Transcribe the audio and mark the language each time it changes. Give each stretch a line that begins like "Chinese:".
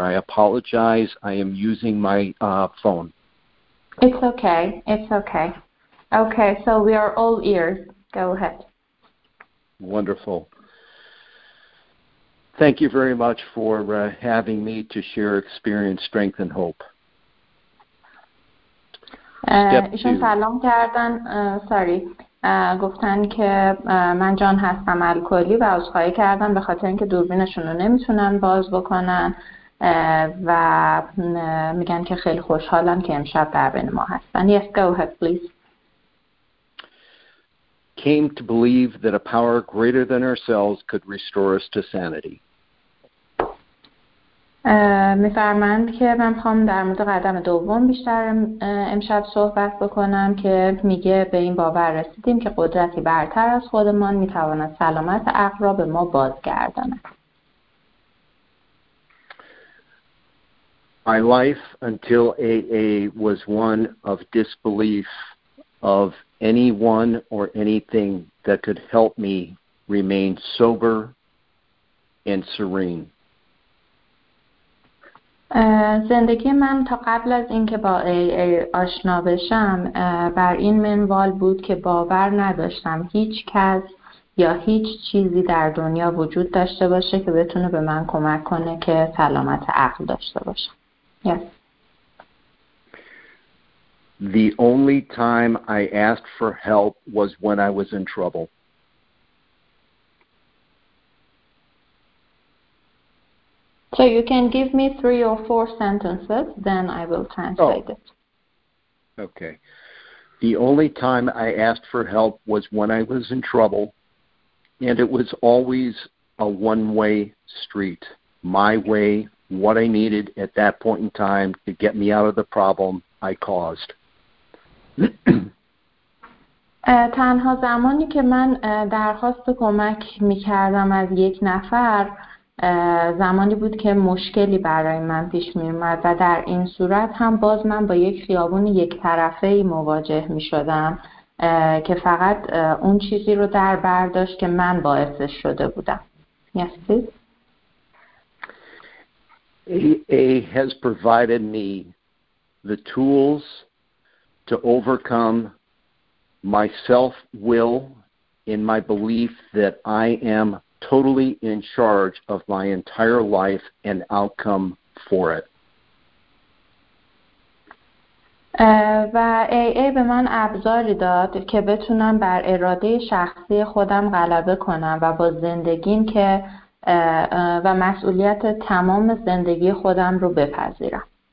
English: I apologize. I am using my phone. It's okay. Okay, so we are all ears. Go ahead. Wonderful. Thank you very much for having me to share experience, strength, and hope.
Persian: ایشون سلام کردن، سوری، گفتن که من جان هستم الکلی و عذرخواهی کردن به خاطر اینکه دوربینشون رو نمیتونن باز بکنن و میگن که خیلی خوشحالم که امشب در بین ما هستن.
English: Yes, go ahead, please. Came to believe that a power greater than ourselves could restore us to sanity.
Persian: می‌فرمایند که من خواهم در مورد قدم دوم بیشتر امشب صحبت بکنم که میگه به این باور رسیدیم که قدرتی برتر از خودمان میتواند سلامت عقل را به ما بازگرداند.
English: My life until AA was one of disbelief of anyone or anything that could help me remain sober and serene.
Persian: زندگی من تا قبل از اینکه با AA آشنا بشم بر این منوال بود که باور نداشتم هیچ کس یا هیچ چیزی در دنیا وجود داشته باشه که بتونه به من کمک کنه که سلامت عقل داشته باشم.
English: The only time I asked for help was when I was in trouble. So you can give me 3 or 4 sentences, then I will translate it. Okay. The only time I asked for help was when I was in trouble, and it was always a one-way street. My way, what I needed at that point in time to get me out of the problem I caused.
Persian: تنها زمانی که من درخواست کمک می‌کردم از یک نفر زمانی بود که مشکلی برای من پیش می اومد و در این صورت هم باز من با یک خیابون یک طرفه مواجه می شدم که فقط اون چیزی رو در بر داشت که من باعثش شده بودم.
English: Yes, please. AA has provided me the tools to overcome my self-will in my belief that I am totally in charge of my entire life and outcome for it.
Persian: و AA به من ابزاری داد که بتونم بر اراده شخصی خودم غلبه کنم و با زندگیم که و مسئولیت تمام زندگی خودم رو بپذیرم.